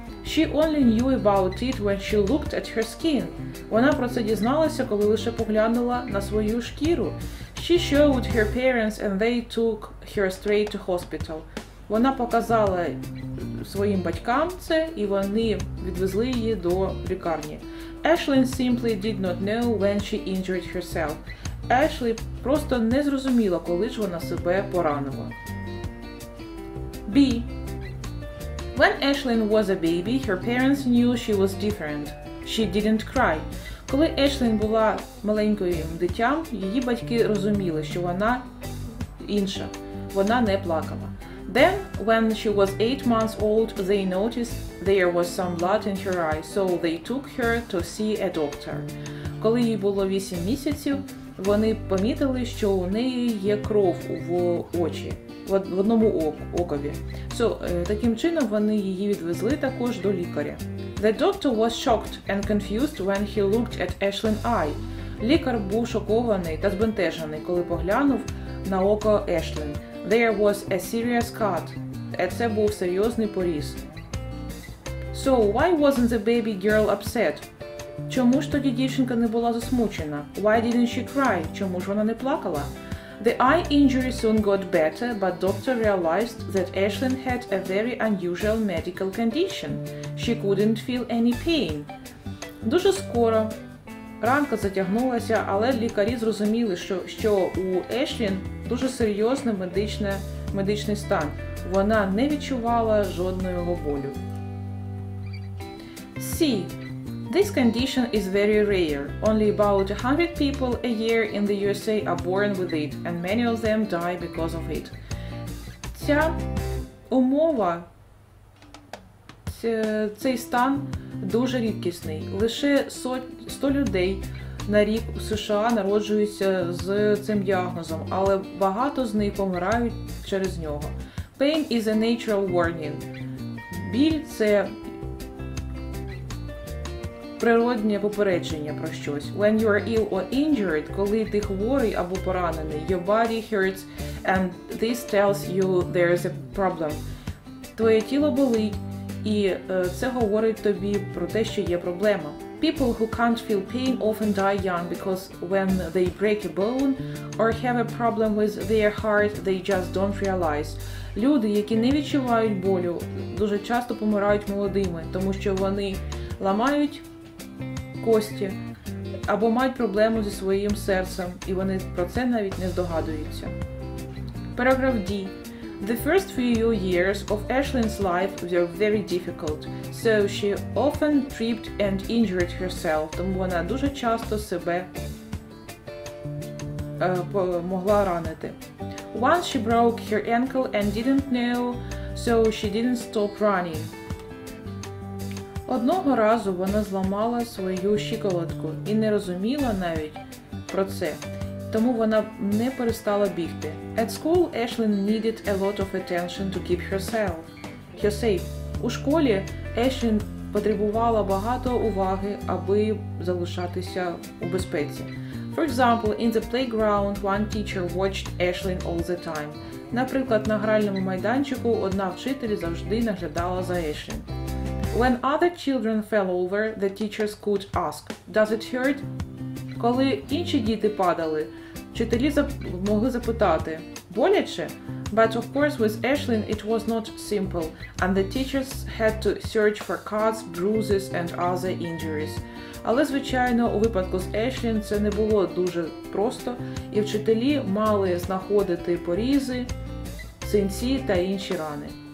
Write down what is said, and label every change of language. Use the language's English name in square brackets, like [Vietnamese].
[English] She only knew about it when she looked at her skin. [Ukrainian] Вона про це дізналася, коли лише поглянула на свою шкіру. [English] She showed her parents and they took her straight to hospital. [Ukrainian] Вона показала своїм батькам це, і вони відвезли її до лікарні. [English] Ashlyn simply did not know when she injured herself. [Ukrainian] Ashlyn просто не зрозуміла, коли ж вона себе поранила. [English] B. When Ashlyn was a baby, her parents knew she was different. She didn't cry. [Ukrainian] Коли Ешлін була маленьким дитям, її батьки розуміли, що вона інша, вона не плакала. [English] Then, when she was 8 months old, they noticed there was some blood in her eye, so they took her to see a doctor. [Ukrainian] Коли їй було 8 місяців, вони помітили, що у неї є кров в очі, в одному окові. [English] So, [Ukrainian] таким чином вони її відвезли також до лікаря. [English] The doctor was shocked and confused when he looked at Ashlyn's eye. [Ukrainian] Лікар був шокований та збентежений, коли поглянув на око Ashlyn. [English] There was a serious cut. [Ukrainian] Це був серйозний поріз. [English] So, why wasn't the baby girl upset? [Ukrainian] Чому ж тоді дівчинка не була засмучена? [English] Why didn't she cry? [Ukrainian] Чому ж вона не плакала? [English] The eye injury soon got better, but doctor realized that Ashlyn had a very unusual medical condition. She couldn't feel any pain. [Ukrainian] Дуже скоро ранка затягнулася, але лікарі зрозуміли, що у Ешлін дуже серйозний медичний стан. Вона не відчувала жодного болю. [English] See, this condition is very rare. Only about 100 people a year in the USA are born with it, and many of them die because of it. [Ukrainian] Ця умова, цей стан дуже рідкісний. Лише 100 людей на рік у США народжуються з цим діагнозом, але багато з них помирають через нього. [English] Pain is a natural warning. [Ukrainian] Біль – це природнє попередження про щось. [English] When you are ill or injured, [Ukrainian] коли ти хворий або поранений, [English] your body hurts and this tells you there is a problem. [Ukrainian] Твоє тіло болить. І це говорить тобі про те, що є проблема. [English] People who can't feel pain often die young because when they break a bone or have a problem with their heart, they just don't realize. [Ukrainian] Люди, які не відчувають болю, дуже часто помирають молодими, тому що вони ламають кості або мають проблему зі своїм серцем, і вони про це навіть не здогадуються. [English] Paragraph D. The first few years of Ashlyn's life were very difficult, so she often tripped and injured herself. [Ukrainian] Тому вона дуже часто себе могла ранити. [English] Once she broke her ankle and didn't know, so she didn't stop running. [Ukrainian] Одного разу вона зламала свою щиколотку і не розуміла навіть про це. Тому вона не перестала бігти. [English] At school, Ashlyn needed a lot of attention to keep herself safe. [Ukrainian] У школі Ashlyn потребувала багато уваги, аби залишатися у безпеці. [English] For example, in the playground, one teacher watched Ashlyn all the time. [Ukrainian] Наприклад, на гральному майданчику одна вчитель завжди наглядала за Ashlyn. [English] When other children fell over, the teachers could ask, "Does it hurt?" [Ukrainian] Коли інші діти падали, вчителі могли запитати, боляче? [English] But of course with Ashlyn it was not simple, and the teachers had to search for cuts, bruises and other injuries. [Ukrainian] Але, звичайно, у випадку з Ashlyn це не було дуже просто, і вчителі мали знаходити порізи, синці та інші рани.